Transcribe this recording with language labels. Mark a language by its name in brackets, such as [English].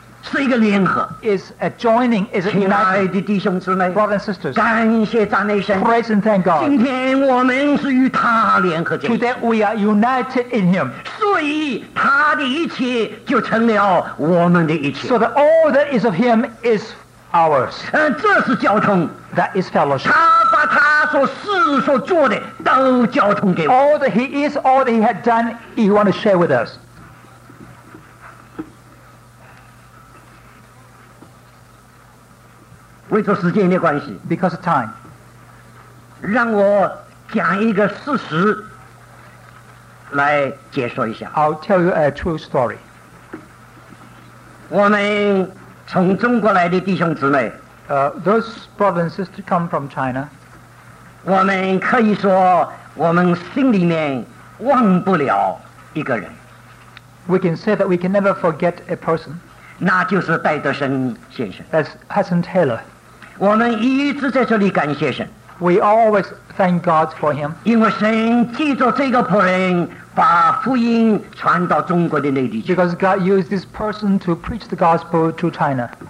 [Chinese] 是一个联合, [English] is a joining, is a uniting. [Chinese] 亲爱的弟兄姊妹, [English] brothers and sisters, [Chinese] 感谢赞美神, [English] praise and thank God. [Chinese] 今天我们是与他联合的, [English] today we are united in him. [Chinese] 所以他的一切就成了我们的一切, [English] so that all that is of him is ours. [Chinese] 这是交通, [English] that is fellowship. All that he is, all that he had done, he want to share with us. Because of time, [Chinese] 让我讲一个事实, 来解说一下, [English] I'll tell you a true story. [Chinese] 我们从中国来的弟兄姊妹, [English] Those brothers and sisters come from China. [Chinese] 我们可以说我们心里面忘不了一个人, [English] we can say that we can never forget a person. [Chinese] 那就是戴德生先生, [English] that's Hudson Taylor. [Chinese] 我们一直在这里感谢神, [English] we always thank God for him. [Chinese] 因为神记住这个仆人, 把福音传到中国的内地去, [English] because God used this person to preach the gospel to China.